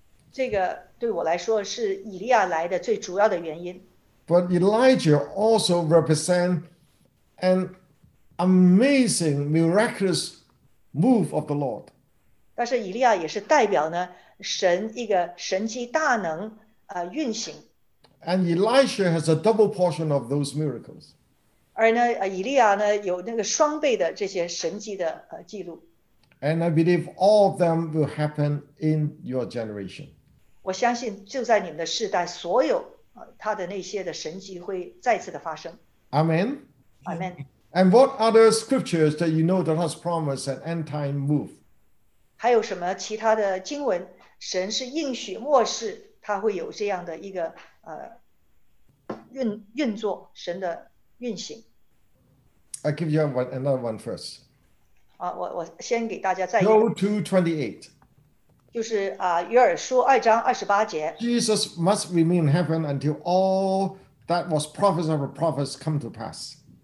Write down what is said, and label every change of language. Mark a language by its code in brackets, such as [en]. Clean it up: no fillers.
[zh] 这个对我来说是以利亚来的最主要的原因。 [en] But Elijah also represents. An amazing, miraculous move of the Lord. [zh] 但是以利亚也是代表呢神一个神迹大能运行。 [en] And Elisha has a double portion of those miracles. [zh] 而呢以利亚呢有那个双倍的这些神迹的记录。 [en] And I believe all of them will happen in your generation. [zh] 我相信就在你们的世代，所有他的那些的神迹会再次的发生。 [en] Amen. Amen. And what other scriptures that you know that has promised an end time move? [zh] 还有什么其他的经文，神是应许末世，他会有这样的一个运作，神的运行。 [en] I'll give you another one first. [zh] 我先给大家再一个。Joel 2:28. 就是约珥书二章二十八节。 [en] Jesus must remain in heaven until all that was prophesied of the prophets come to pass.